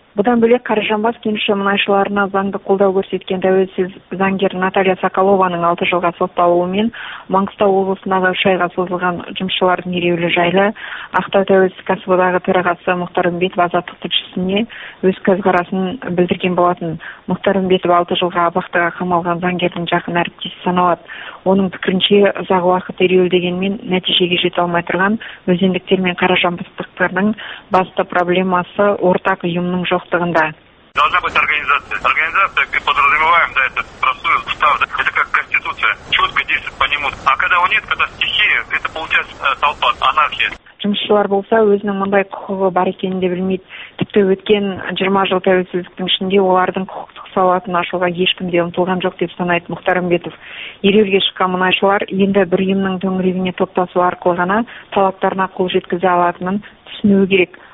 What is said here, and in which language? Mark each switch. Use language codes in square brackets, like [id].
[kk] Бұдан бөлек Қаражанбас кенші мұнайшыларына заңды қолдау көрсеткен тәуелсіз заңгер Наталья Соколованың 6 жылға сотталуымен Маңғыстау облысындағы 3 айға созылған жұмысшылардың ереуілі жайлы Ақтау тәуелсіз кәсіподағы төрағасы Мұхтар Үмбетов азаттық тілшісіне өз көзқарасын білдірген болатын. Мұхтар Үмбетов 6 жылға абақтыға қамалған заңгердің жақын әріптесі саналады. Оның пікірінше ұзақ уақыт ереуіл дегенмен нәтижеге жете алмай тұрған өзендіктер мен қаражанбастықтардың басты проблемасы ортақ ұйымның жоқтығында. [ru] Должна быть организация, мы подразумеваем, да, это простой устав, да, это как конституция, четко действует по нему. А когда его нет, когда стихия, это получается толпа, анархия. [kk] Жұмысшылар болса, өзінің мұндай құқығы бар екенін де білмейді. Тіпті өткен 20 жыл тәуелсіздіктің ішінде олардың құқықтық сауатын ашуға ешкім де ұмтылған жоқ деп санайды Мұхтар Үмбетов. Ереуілге шыққан мұнайшылар енді бір ұйымның төңірегіне топтасу арқылы ғана талаптарына қол жеткізе алатынын түсінуі керек.